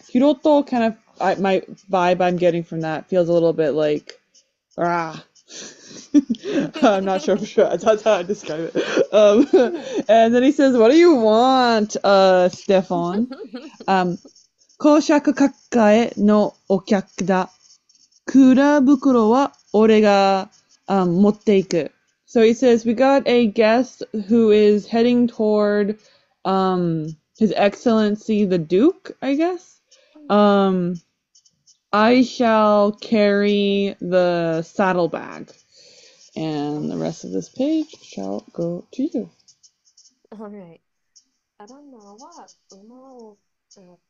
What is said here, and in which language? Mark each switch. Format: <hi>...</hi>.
<en>Hiroto kind of, my vibe I'm getting from that feels a little bit like, rah. I'm not sure for sure. That's how I describe it. And then he says, what do you want, Stefan?</en> <ja>公爵閣下へのお客だ。蔵袋は俺が、持っていく。</ja> <en>So he says, we got a guest who is heading toward, His Excellency the Duke, I guess. I shall carry the saddlebag. And the rest of this page shall go to you. All right.</en> <ja>アランナは馬を、シュッ。</ja>